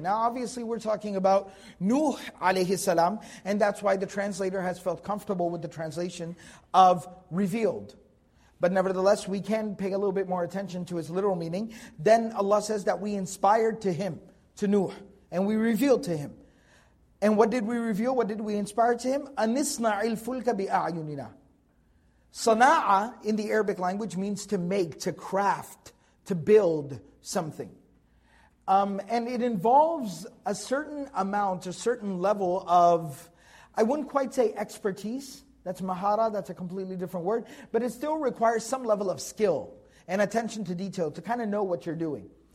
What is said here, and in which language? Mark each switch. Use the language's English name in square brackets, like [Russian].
[English] Now obviously we're talking about Nuh alayhi salam, and that's why the translator has felt comfortable with the translation of revealed. But nevertheless, we can pay a little bit more attention to its literal meaning. Then Allah says that we inspired to him, to Nuh, and we revealed to him. And what did we reveal? What did we inspire to him? [Arabic] Anisna'il الْفُلْكَ بِأَعْيُنِنَا. [English] Sana'a in the Arabic language means to make, to craft, to build something. And it involves a certain amount, a certain level of, I wouldn't quite say expertise, that's mahara, that's a completely different word, but it still requires some level of skill and attention to detail to kind of know what you're doing.